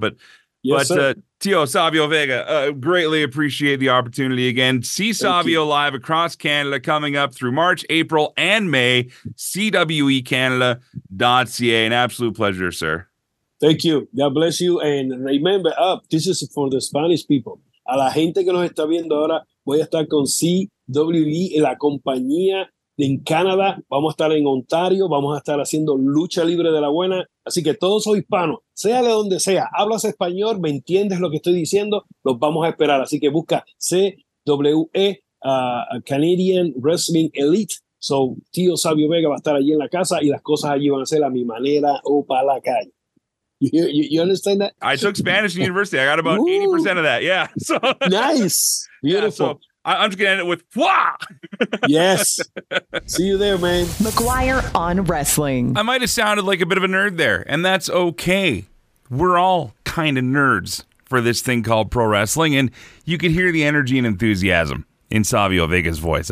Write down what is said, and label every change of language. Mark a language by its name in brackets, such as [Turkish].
[English] But, Tio Savio Vega, greatly appreciate the opportunity again. See Savio live across Canada coming up through March, April, and May. CWECanada.ca. An absolute pleasure, sir. Thank you. God bless you. And remember, this is for the Spanish people. [Spanish] A la gente que nos está viendo ahora, voy a estar con CWE en la compañía. En Canadá, vamos a estar en Ontario, vamos a estar haciendo lucha libre de la buena. Así que todos son hispanos, sea de donde sea, hablas español, me entiendes lo que estoy diciendo, los vamos a esperar. Así que busca CWE, Canadian Wrestling Elite. So, Tío Savio Vega va a estar allí en la casa y las cosas allí van a ser a mi manera o para la calle. [English] You understand that? I took Spanish in university. I got about 80% of that. Yeah. So. Nice. Beautiful. Yeah, so. I'm just going to end it with, wah! Yes. See you there, man. McGuire on Wrestling. I might have sounded like a bit of a nerd there, and that's okay. We're all kind of nerds for this thing called pro wrestling, and you could hear the energy and enthusiasm in Savio Vega's voice.